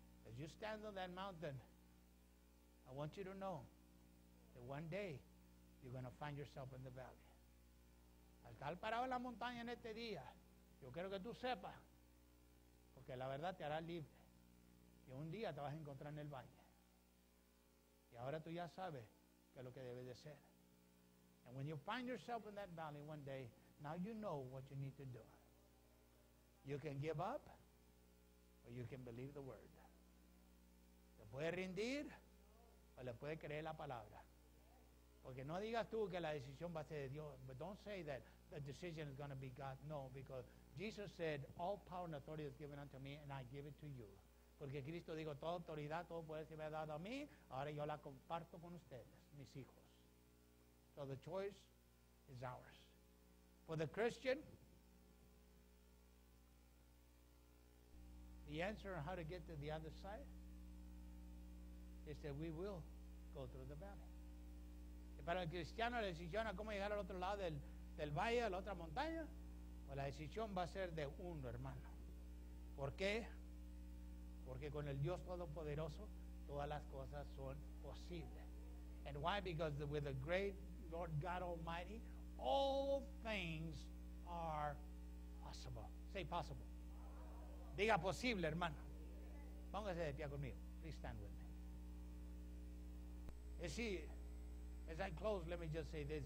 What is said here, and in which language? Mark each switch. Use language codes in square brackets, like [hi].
[en] As you stand on that mountain, I want you to know that one day you're going to find yourself in the valley. [es] Al estar parado en la montaña en este día, yo quiero que tú sepas, porque la verdad te hará libre, que un día te vas a encontrar en el valle. Y ahora tú ya sabes qué es lo que debe de ser. [en] And when you find yourself in that valley one day, now you know what you need to do. You can give up, or you can believe the word. [es] ¿Te puede rendir o le puede creer la palabra? Porque no digas tú que la decisión va a ser de Dios. [en] But don't say that the decision is going to be God. No, because Jesus said, all power and authority is given unto me, and I give it to you. [es] Porque Cristo dijo, toda autoridad, todo poder se me ha dado a mí, ahora yo la comparto con ustedes, mis hijos. [en] So the choice is ours. For the Christian, the answer on how to get to the other side is that we will go through the valley. [es] Y para el cristiano, la decisión a cómo llegar al otro lado del valle, a la otra montaña, pues la decisión va a ser de uno, hermano. ¿Por qué? Porque con el Dios Todopoderoso, todas las cosas son posibles. [en] And why? Because with the great Lord God Almighty, all things are possible. Say possible. [es] Diga posible, hermano. Póngase de pie conmigo. [en] Please stand with me. You see, as I close, let me just say this.